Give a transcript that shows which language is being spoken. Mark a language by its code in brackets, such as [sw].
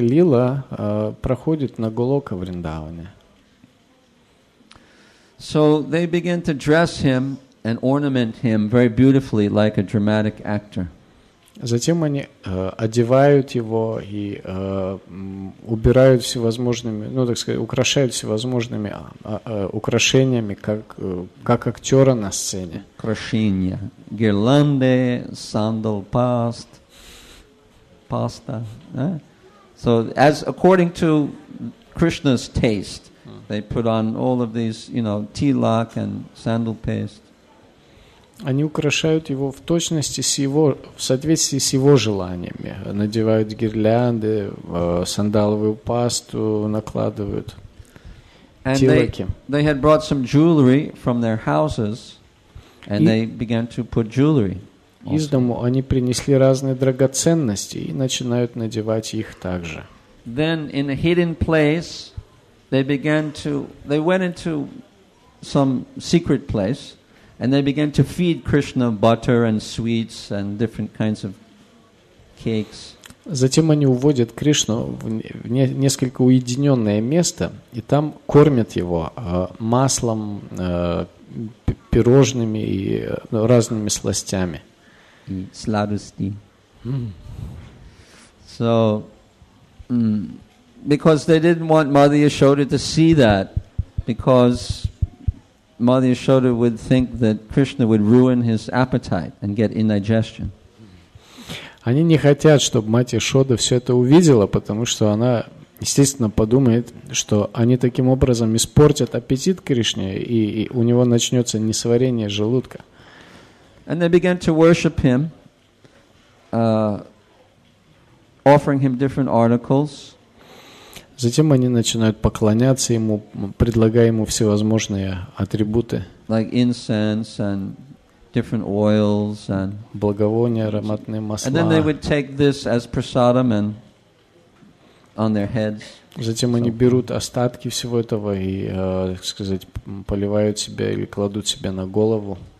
[ru] лила проходит на Голока Вриндаване. [en] So they begin to dress him and ornament him very beautifully, like a dramatic actor. [ru] Затем они одевают его и убирают всевозможными, ну так сказать, украшают всевозможными украшениями, как актера на сцене. Украшения, гирланды, сандал, паста. [en] So as according to Krishna's taste, they put on all of these, you know, tilak and sandal paste. [ru] Они украшают его в точности с его, в соответствии с его желаниями. Надевают гирлянды, сандаловую пасту накладывают, тилаки. [en] They had brought some jewelry from their houses, and they began to put jewelry. [ru] Из дому они принесли разные драгоценности и начинают надевать их также. [en] Then in a hidden place, they went into some secret place. And they began to feed Krishna butter and sweets and different kinds of cakes. [ru] Затем они уводят Кришну в несколько уединенное место, и там кормят его маслом, пирожными и разными сластями. И сладости. [en] So, because they didn't want Mother Yashoda to see that, because Mother Yashoda would think that Krishna would ruin his appetite and get indigestion. [ru] Они не хотят, чтобы мать Яшода все это увидела, потому что она, естественно, подумает, что они таким образом испортят аппетит Кришне, и у него начнется несварение желудка. [en] And they began to worship him, offering him different articles. [ru] Затем они начинают поклоняться ему, предлагая ему всевозможные атрибуты. [en] Like incense and different oils and... [ru] Благовония, ароматные масла. [en] And then they would take this as prasadam and on their heads. [ru] Затем они берут остатки всего этого и, так сказать, поливают себя или кладут себе на голову.